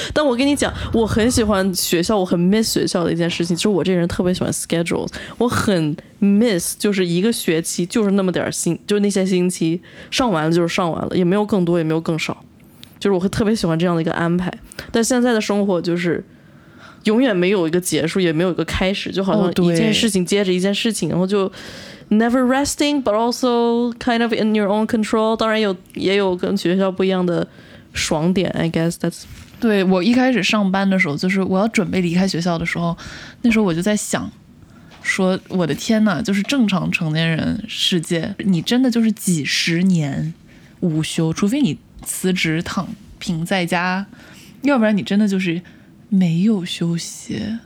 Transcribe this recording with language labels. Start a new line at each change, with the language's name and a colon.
Chinese: 但我跟你讲，我很喜欢学校，我很 miss 学校的一件事情，就是我这个人特别喜欢 schedule， 我很 miss 就是一个学期就是那么点星，就那些星期上完了就是上完了，也没有更多也没有更少，就是我会特别喜欢这样的一个安排。但现在的生活就是永远没有一个结束，也没有一个开始，就好像一件事情接着一件事情，哦，然后就
English: Never resting, but also kind of in your own control.
Chinese: 当然也有跟学校不一样的爽点 ，
English: I guess that's.
Chinese: 对，我一开始上班的时候，就是我要准备离开学校的时候，那时候我就在想，说我的天哪，就是正常成年人世界，你真的就是几十年无休，除非你辞职躺平在家，要不然你真的就是没有休息。